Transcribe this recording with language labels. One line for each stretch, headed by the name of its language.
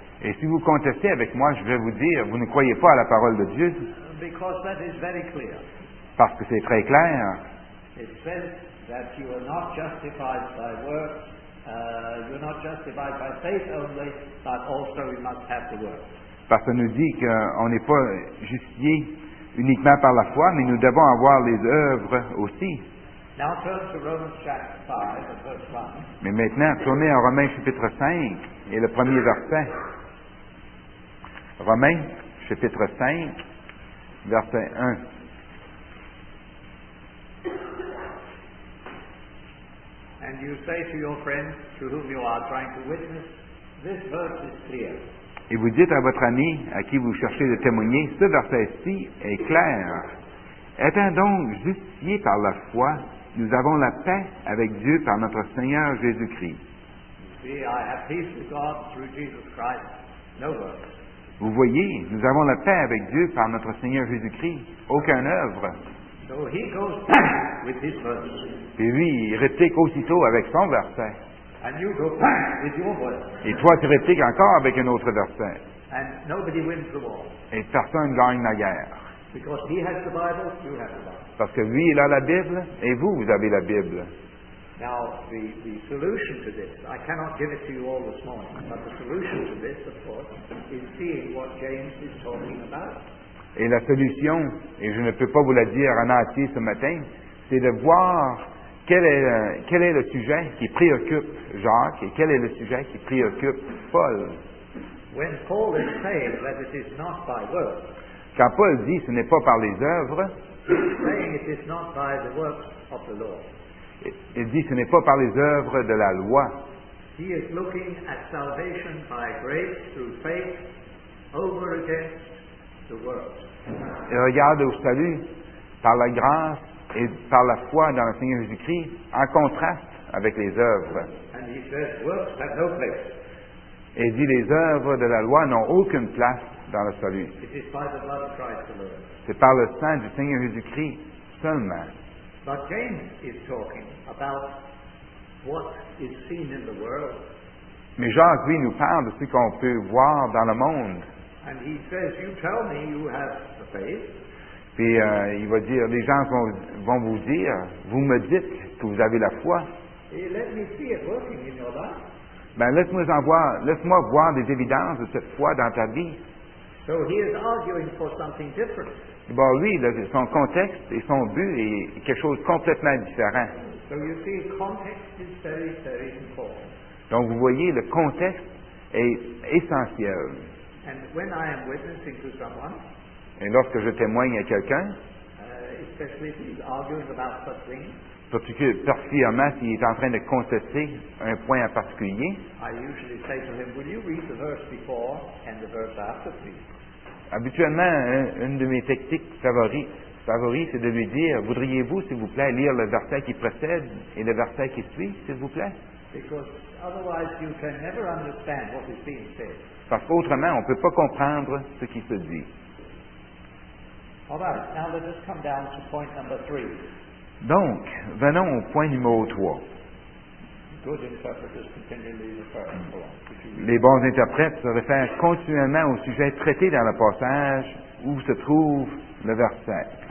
French: Et si vous contestez avec moi, je vais vous dire, vous ne croyez pas à la parole de Dieu.
English: Because that is very clear.
French: Parce que c'est très clair.
English: It says that you are not justified by works. You're not justified by faith only, but also you must have the works.
French: Parce qu'on nous dit qu'on n'est pas justifié uniquement par la foi, mais nous devons avoir les œuvres aussi.
English: Now turn to Romans chapter 5, the first one.
French: Mais maintenant, tournez à Romains chapitre 5 et le premier verset. Romains chapitre 5, verset 1.
English: And you say to your friend to whom you are trying to witness, this verse is clear.
French: Et vous dites à votre ami à qui vous cherchez de témoigner, ce verset-ci est clair. Étant donc justifié par la foi, nous avons la paix avec Dieu par notre Seigneur Jésus-Christ.
English: See, I have peace with God through Jesus Christ. No works.
French: Vous voyez, nous avons la paix avec Dieu par notre Seigneur Jésus-Christ. Aucun œuvre.
English: So he goes back with his verse.
French: Et lui, il réplique aussitôt avec son verset.
English: And you go back with your verse.
French: Et toi, tu répliques encore avec un autre verset.
English: And nobody wins the war.
French: Et personne ne gagne la guerre.
English: Because he has the Bible, you have the Bible.
French: Parce que lui, il a la Bible, et vous, vous avez la Bible.
English: Now, the solution to this, I cannot give it to you all this morning, but the solution to this, of course, is seeing what James is talking about.
French: Et la solution, et je ne peux pas vous la dire en entier ce matin, c'est de voir quel est le sujet qui préoccupe Jacques et quel est le sujet qui préoccupe Paul?
English: When Paul is saying that it is not by works,
French: quand Paul dit ce n'est pas par les œuvres,
English: it is not by the works of the law.
French: Il dit ce n'est pas par les œuvres de la loi.
English: He is looking at salvation by grace through faith over against the works.
French: Il regarde au salut par la grâce et par la foi dans le Seigneur Jésus-Christ en contraste avec les œuvres.
English: And he says works have no place.
French: Et dit les œuvres de la loi n'ont aucune place dans le salut.
English: It is by the blood of Christ alone.
French: C'est par le sang du Seigneur Jésus-Christ seulement.
English: But James is talking about what is seen in the world.
French: Mais Jacques, lui, nous parle de ce qu'on peut voir dans le monde.
English: And he says, you tell me you have the faith.
French: Puis il va dire, les gens vont vous dire, vous me dites que vous avez la foi.
English: Hey, let me see it working in your life.
French: Ben, laisse-moi voir des évidences de cette foi dans ta vie.
English: So he is arguing for something different.
French: Bon, lui, son contexte et son but est quelque chose de complètement différent.
English: So you see, context is very, very important.
French: Donc, vous voyez, le contexte est essentiel.
English: And when I am witnessing to someone,
French: et lorsque je témoigne à quelqu'un,
English: especially if he's arguing about such things,
French: particulièrement s'il est en train de contester un point en particulier,
English: I usually say to him, will you read the verse before and the verse after, please?
French: Habituellement, une de mes techniques favoris, c'est de lui dire, voudriez-vous, s'il vous plaît, lire le verset qui précède et le verset qui suit, s'il vous plaît?
English: Because otherwise you can never understand what is being said.
French: Parce qu'autrement, on ne peut pas comprendre ce qui se dit.
English: All right, now let us come down to point number three.
French: Donc, venons au point numéro 3.
English: Good interpreters continually refer to the point.
French: Les bons interprètes se réfèrent continuellement au sujet traité dans le passage où se trouve le verset.